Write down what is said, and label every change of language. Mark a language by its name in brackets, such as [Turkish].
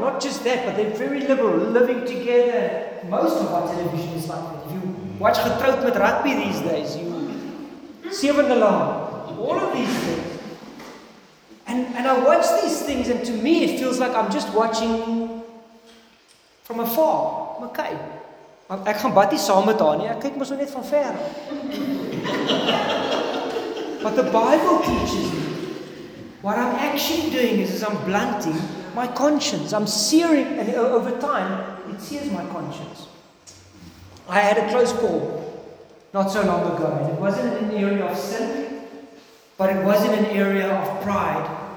[English] Not just that, but they're very liberal, living together. Most of our television is like that. You watch Getrouwd met Rugby these days, you Seven Alarm, all of these things. And I watch these things, and to me it feels like I'm just watching from afar. Okay. [Afrikaans] Ek gaan baie saam met haar nie. Ek kyk mos net van ver. [English] But the Bible teaches me what I'm actually doing is I'm blunting my conscience. I'm searing, and over time it sears my conscience. I had a close call not so long ago, and it wasn't in an area of sin, but it was in an area of pride.